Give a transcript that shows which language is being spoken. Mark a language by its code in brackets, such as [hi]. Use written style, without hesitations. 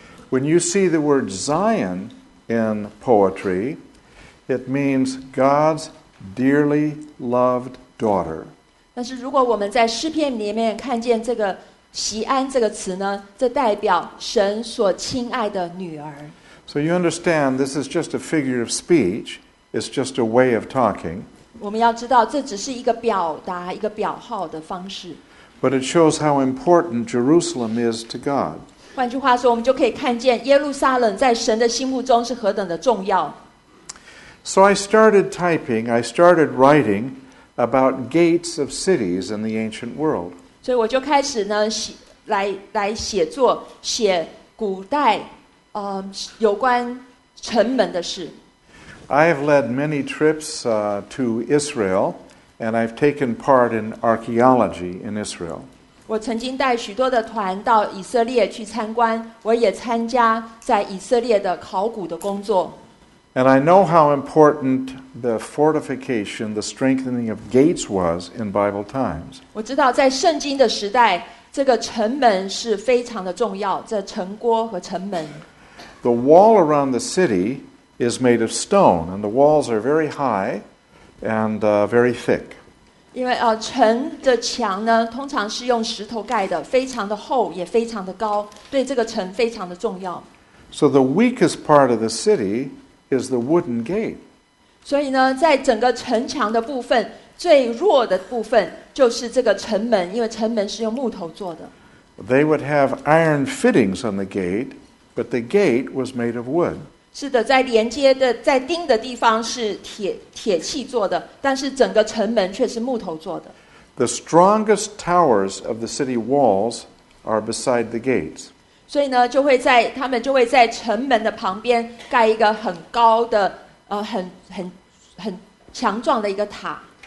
[en] When you see the word Zion in poetry, it means God's dearly loved daughter. [zh] 但是如果我们在诗篇里面看见这个锡安这个词呢，这代表神所亲爱的女儿。 [en] So you understand this is just a figure of speech. It's just a way of talking. [zh] 我们要知道这只是一个表达，一个表号的方式。 [en] But it shows how important Jerusalem is to God. [zh] 换句话说，我们就可以看见耶路撒冷在神的心目中是何等的重要。 [en] So I started typing. I started writing about gates of cities in the ancient world. [zh] 所以我就开始呢，来写作，写古代有关城门的事。 [en] I have led many trips to Israel, and I've taken part in archaeology in Israel. [zh] 我曾经带许多的团到以色列去参观，我也参加在以色列的考古的工作。 [en] And I know how important the fortification, the strengthening of gates was in Bible times. [zh] 我知道在圣经的时代，这个城门是非常的重要，这城郭和城门。 [en] The wall around the city is made of stone, and the walls are very high and very thick. [zh] 因为城的墙呢，通常是用石头盖的，非常的厚，也非常的高，对这个城非常的重要。 [en] So the weakest part of the city. Is the wooden gate. [zh] 所以呢，在整个城墙的部分，最弱的部分就是这个城门，因为城门是用木头做的。 [en] They would have iron fittings on the gate, but the gate was made of wood. [zh] 是的，在连接的，在钉的地方是铁器做的，但是整个城门却是木头做的。 [en] The strongest towers of the city walls are beside the gates. [zh] 所以呢，他们就会在城门的旁边盖一个很高的很强壮的一个塔。